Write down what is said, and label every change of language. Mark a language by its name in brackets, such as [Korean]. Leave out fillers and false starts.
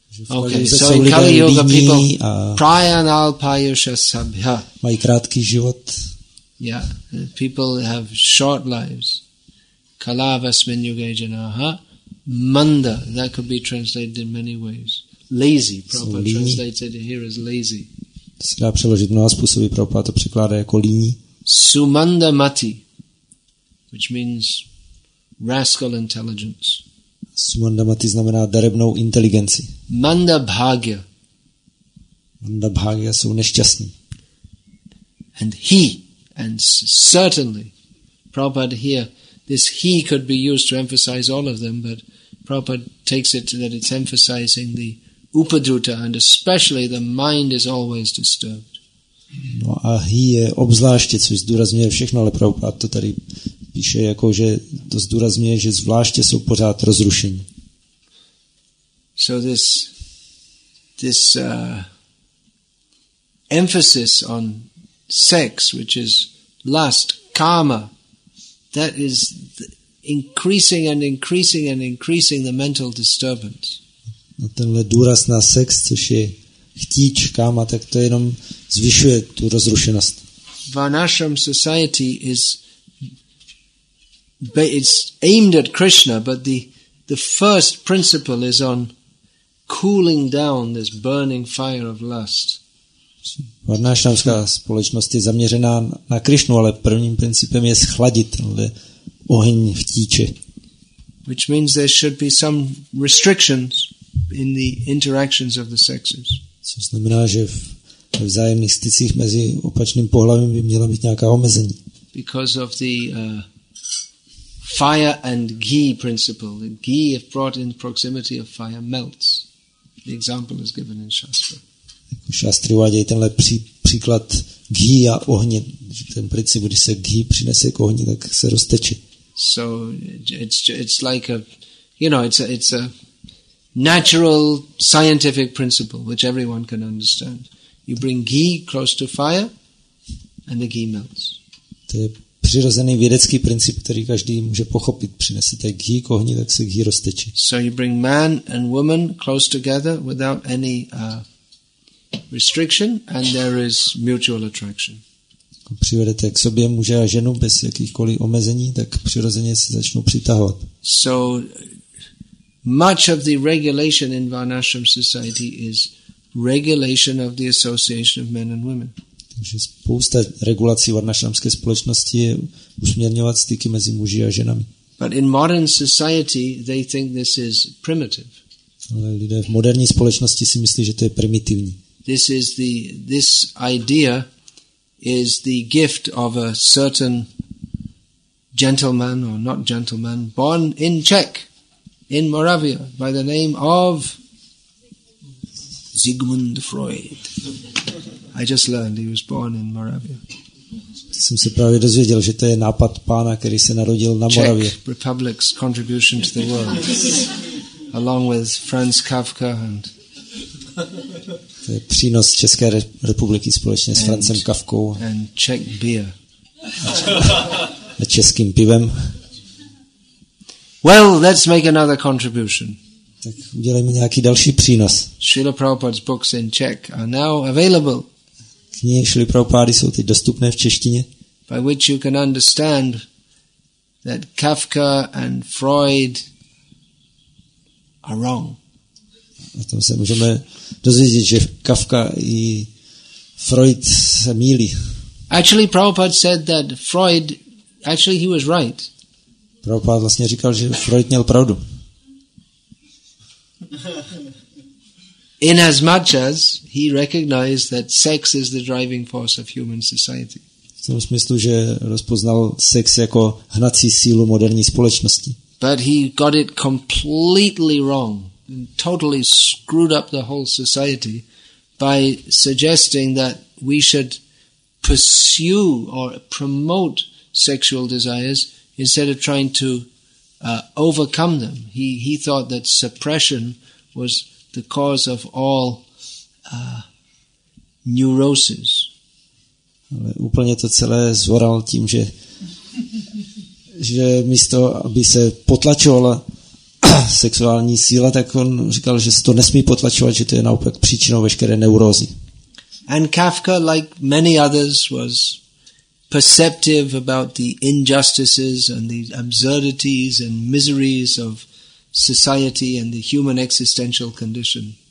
[English] Okay, so in Kali Yuga people [Sanskrit] prayanal payusha sabha [Czech] mají krátký život. [English] Yeah, people have short lives. [Sanskrit] Kalavasmin yuge janaha. [English] Manda, that could be translated in many ways. Lazy, Prabhupada translated here as lazy. [Czech] To se dá přeložit mnoha způsoby, Prabhupada to překládá jako líní. [English] Sumanda mati, which means rascal intelligence. [Czech] Sumanda mati znamená darebnou inteligenci. [Sanskrit] Manda bhagya. [Czech] Manda bhagya jsou nešťastní. [English] And he. And certainly, Prabhupada here, this he could be used to emphasize all of them, but Prabhupada takes it to that it's emphasizing the upadruta, and especially the mind is always disturbed. [Czech] No a he je obzvláště, což zdůrazňuje všechno, ale Prabhupada to tady píše jako, že to zdůrazňuje, že zvláště jsou pořád rozrušení. [English] So this emphasis on sex, which is lust, karma, that is increasing and increasing and increasing the mental disturbance. [Czech] No tenhle důraz na sex, což je chtíč karma, tak to jenom zvyšuje tu rozrušenost. [English] Varnashram society is it's aimed at Krishna, but the first principle is on cooling down this burning fire of lust. [Czech] Varnashramská společnost je zaměřená na Krishnu, ale prvním principem je schladit tenhle oheň chtíče. [English] Which means there should be some restrictions in the interactions of the sexes. [Czech] Což znamená, že ve vzájemných stycích mezi opačným pohlavím by měla být nějaká omezení. [English] Because of the fire and ghee principle. The ghee, if brought in proximity of fire, melts. The example is given in Shastra. [Czech] Jako Shastra uvádějí tenhle příklad ghee a ohně. Ten princip, když se ghee přinese k ohni, tak se rozteče. [English] So it's like a, you know, it's a natural scientific principle which everyone can understand. You bring ghee close to fire and the ghee melts. [Czech] To je přirozený vědecký princip, který každý může pochopit. Přinesete ghee k ohni, tak se ghee rozteče. [English] So you bring man and woman close together without any restriction and there is mutual attraction. [Czech] Přivedete k sobě muže a ženu bez jakýchkoliv omezení, tak přirozeně se začnou přitahovat. [English] So much of the regulation in Varnashram society is regulation of the association of men and women. [Czech] Takže spousta regulací varnashramské společnosti je usměrňovat styky mezi muži a ženami. [English] But in modern society they think this is primitive. [Czech] Ale lidé v moderní společnosti si myslí, že to je primitivní. [English] This idea is the gift of a certain gentleman or not gentleman born in Czech. In Moravia, by the name of Sigmund Freud. I just learned he was born in Moravia. [Czech] Jsem se právě dozvěděl, že to je nápad pána, který se narodil na Moravě. [English] Czech Republic's contribution to the world, along with Franz Kafka and. [Czech] To je přínos České republiky společně s Francem Kafkou. [English] And Czech beer. [Czech] A českým pivem. [English] Well, let's make another contribution. [Czech] Tak udělejme nějaký další přínos. [English] Srila Prabhupada's books in Czech are now available. [Czech] Knihy Srila Prabhupady jsou teď dostupné v češtině. [English] By which you can understand that Kafka and Freud are wrong. [Czech] A tom se můžeme dozvědět, že Kafka i Freud se mýlí. [English] Actually, Prabhupada said that Freud, actually he was right. [Czech] Prabhupád vlastně říkal, že Freud měl pravdu. [English] In as much as he recognized that sex is the driving force of human society. [Czech] V tom smyslu, že rozpoznal sex jako hnací sílu moderní společnosti. [English] But he got it completely wrong and totally screwed up the whole society by suggesting that we should pursue or promote sexual desires instead of trying to overcome them. He thought that suppression was the cause of all neuroses. [Czech] Ale úplně to celé zvoral tím, že místo, aby se potlačovala sexuální síla, tak on říkal, že se to nesmí potlačovat, že to je naopak příčinou veškeré neurózy. [English] And Kafka, like many others, was perceptive about the injustices and the absurdities and miseries of society and the human existential condition.